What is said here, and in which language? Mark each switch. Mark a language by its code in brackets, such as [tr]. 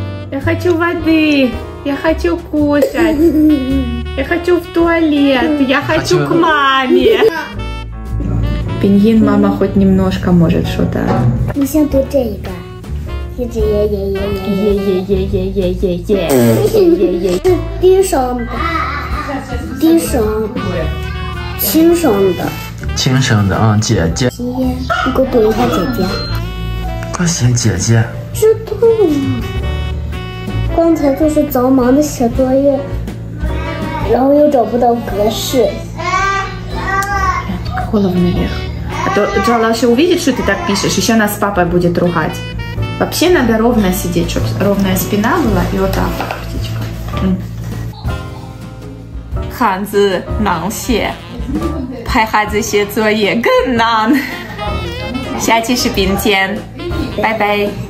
[zh] 哈哈哈哈低声，轻声的，轻声的啊，姐姐。姐，你给我读一下姐姐。快写姐姐。知道了。刚才就是着忙的写作业，然后又找不到格式。哭了没有？啊，都赵老师 [ru] увидит, что ты так пишешь, еще нас папа будет ругать. Вообще надо ровно сидеть, чтоб ровная спина была и вот так, птичка. [zh] 孩子难写，陪孩子写作业更难。下期视频见，拜拜。